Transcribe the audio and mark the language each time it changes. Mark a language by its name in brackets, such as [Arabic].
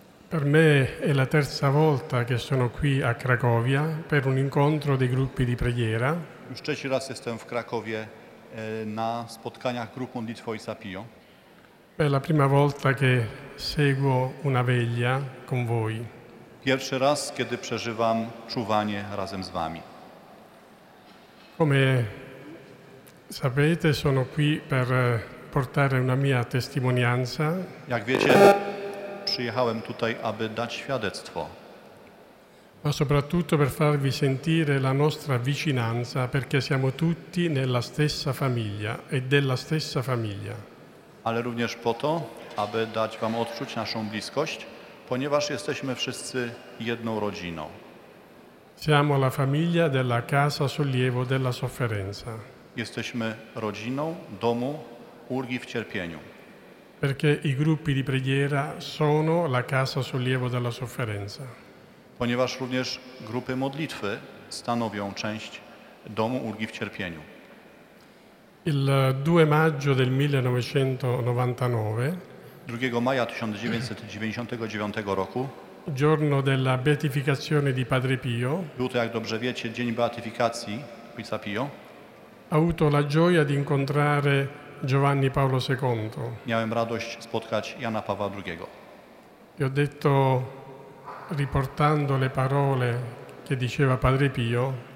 [Italian] Per me è la terza volta che sono qui a Cracovia per un incontro dei gruppi di preghiera. [Polish] Już trzeci raz jestem w Krakowie na spotkaniach grup modlitwy ojca Pio. [Italian] È la prima volta che seguo una veglia con voi. [Polish] Pierwszy raz, kiedy przeżywam czuwanie razem z wami. [Italian] Come sapete, sono qui per portare una mia testimonianza. [Polish] Jak wiecie, przyjechałem tutaj, aby dać świadectwo. [Italian] Ma soprattutto per farvi sentire la nostra vicinanza, perché siamo tutti nella stessa famiglia e della stessa famiglia. [Polish] Ale również po to, aby dać wam odczuć naszą bliskość, ponieważ jesteśmy wszyscy jedną rodziną. [Italian] Siamo la famiglia della Casa Sollievo della Sofferenza. [Polish] Jesteśmy rodziną domu ulgi w cierpieniu. [Italian] Perché i gruppi di preghiera sono la Casa Sollievo della Sofferenza. [Polish] Ponieważ również grupy modlitwy stanowią część domu ulgi w cierpieniu. [Italian] Il 2 maggio del 1999, [Polish] 2 maja 1999 roku, [Italian] giorno della beatificazione di Padre Pio, [Polish] był to, jak dobrze wiecie, dzień beatyfikacji ojca Pio, [Italian] ha avuto la gioia di incontrare Giovanni Paolo II. [Polish] Miałem radość spotkać Jana Pawła II. [Italian] I ho detto, riportando le parole che diceva Padre Pio,